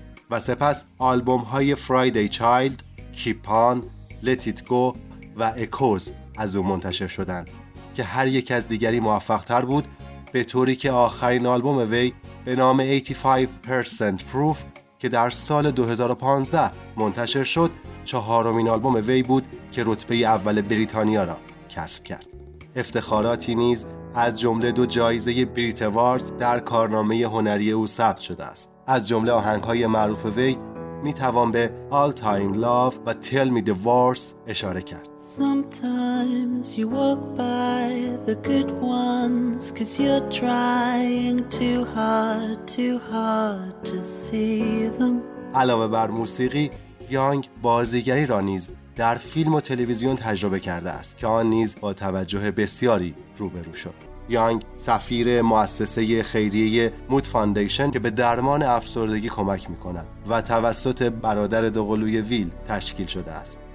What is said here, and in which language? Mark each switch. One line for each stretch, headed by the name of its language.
Persian: و سپس آلبوم های Friday Child، Keep On، Let It Go و Echoes از او منتشر شدند که هر یک از دیگری موفق تر بود، به طوری که آخرین آلبوم وی به نام 85% Proof که در سال 2015 منتشر شد، چهارمین آلبوم وی بود که رتبه اول بریتانیا را کسب کرد. افتخاراتی نیز از جمله دو جایزه بریت اوارد در کارنامه هنری او ثبت شده است. از جمله آهنگ‌های معروف وی می توان به All Time Love و Tell Me The Wars اشاره کرد.
English: Sometimes you walk by the good ones 'cause you're trying too hard to see them.
Persian: علاوه بر موسیقی، یانگ بازیگری را نیز در فیلم و تلویزیون تجربه کرده است که آن نیز با توجه بسیاری روبرو شد. یانگ سفیر مؤسسه خیریه مود فاندیشن که به درمان افسردگی کمک می‌کند و توسط برادر دوقلوی ویل تشکیل شده است.